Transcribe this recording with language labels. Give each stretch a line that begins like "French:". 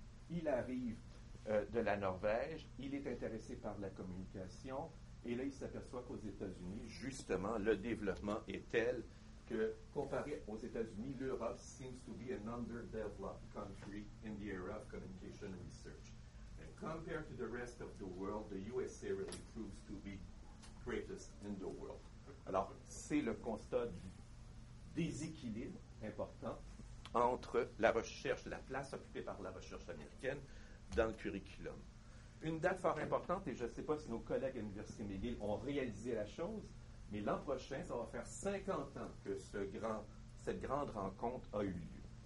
French: Il arrive de la Norvège, il est intéressé par la communication, et là, il s'aperçoit qu'aux États-Unis, justement, le développement est tel que, comparé aux États-Unis, l'Europe
English: seems to be an underdeveloped country in the era of communication research. And compared to the rest of the world, the USA really proves to be greatest in the world.
French: Alors, c'est le constat du déséquilibre important entre la recherche, la place occupée par la recherche américaine dans le curriculum. Une date fort importante, et je ne sais pas si nos collègues à l'Université McGill ont réalisé la chose, mais l'an prochain, ça va faire 50 ans que cette grande rencontre a eu lieu.